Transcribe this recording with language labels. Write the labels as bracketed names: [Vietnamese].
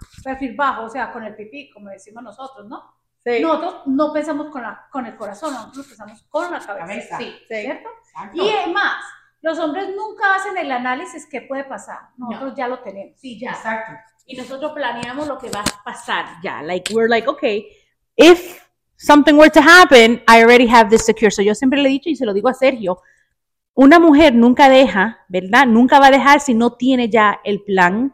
[Spanish] Perfil bajo, o sea, con el pipí, como decimos nosotros, ¿no? Sí. Nosotros no pensamos con el corazón, nosotros pensamos con la cabeza. Sí, ¿cierto? Exacto. Y es más, los hombres nunca hacen el análisis qué puede pasar. Nosotros no. Ya lo tenemos. Sí, ya. Exacto. Y nosotros planeamos lo que va a pasar ya. [English] Like, we're like, okay, if something were to happen, I already have this secure. [Spanish] So yo siempre le he dicho y se lo digo a Sergio, una mujer nunca deja, ¿verdad? Nunca va a dejar si no tiene ya el plan.